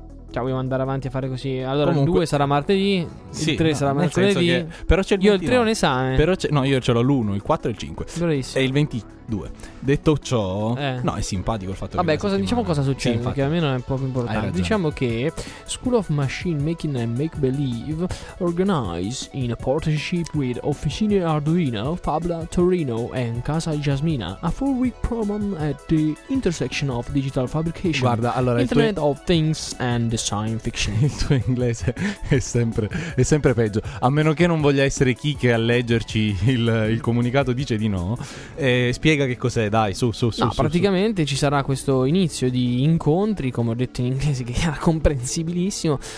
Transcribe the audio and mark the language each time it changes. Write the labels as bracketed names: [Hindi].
[Italian] Cioè, vogliamo andare avanti a fare così. Allora, comunque, il 2 sarà martedì, sì, il 3 no, sarà mercoledì. Che, però c'è il 29, io il 3 ho un esame. Però no, io ce l'ho l'1, il 4 e il 5. Bravissimo. E il 22. Detto ciò, no, è simpatico il fatto vabbè, che. Vabbè, cosa, diciamo cosa succede, sì, perché almeno è poco importante. Diciamo che [English] School of Machine Making and Make Believe organize in a partnership with Officine Arduino, Fabla Torino and Casa Jasmina a 4-week program at the intersection of digital fabrication. [Italian] Guarda, allora, [English] Internet [Italian] tuo... [English] of Things and the Science Fiction. [Italian] Il tuo inglese è sempre peggio. A meno che non voglia essere chi che a leggerci il comunicato dice di no. Spiega che cos'è. Dai, su. No, praticamente ci sarà questo inizio di incontri, come ho detto in inglese, che era comprensibilissimo.